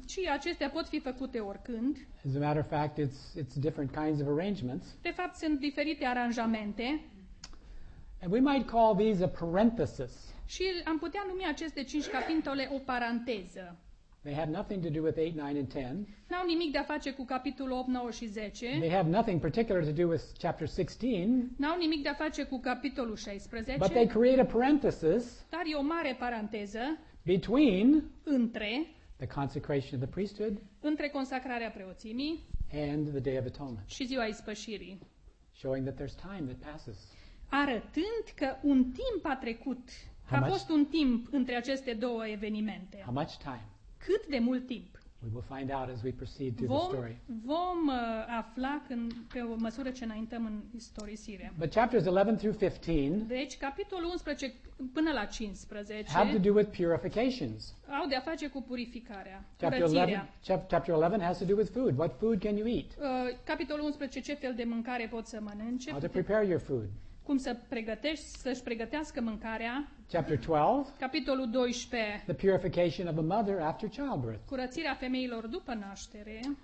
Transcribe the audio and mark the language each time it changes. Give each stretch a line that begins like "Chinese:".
Romanian: Și acestea pot fi făcute oricând.
English: As a matter of fact, it's different kinds of arrangements.
Romanian: De fapt sunt diferite aranjamente.
English: And we might call these a parenthesis.
Romanian: Și am putea numi aceste 5 capitole o paranteză.
English: They have nothing to do with 8, 9 and 10.
Romanian: N-au nimic de a face cu capitolul 8, 9 și 10.
English: They have nothing particular to do with chapter 16.
Romanian: N-au nimic de a face cu capitolul 16.
English: But they create a parenthesis.
Romanian: Dar e o mare paranteză.
English: Between
Romanian: între
English: the consecration of the priesthood
Romanian: între consacrarea preoțimii
English: and the day of atonement.
Romanian: Și ziua ispășirii.
English: Showing that there's time that passes.
Romanian: Arătând că un timp a trecut. A fost un timp între aceste două evenimente.
English: How much time?
Romanian: Cât de mult timp?
English: We will find out as we proceed through the story.
Romanian: Vom afla când, pe o măsură ce înaintăm în istorisire.
English: But chapters 11 through 15.
Romanian: Deci capitolul 11 până la 15.
English: Have to do with purifications.
Romanian: Au de a face cu purificarea.
English: Chapter 11 has to do with food. What food can you eat?
Romanian: Capitolul 11, ce fel de mâncare poți să mănânci?
English: How to prepare your food.
Romanian: Cum să pregătești, să-și pregătească mâncarea.
English: Chapter 12.
Romanian: Capitolul 12.
English: The purification of a mother after childbirth.
Romanian: Curățirea femeilor după naștere.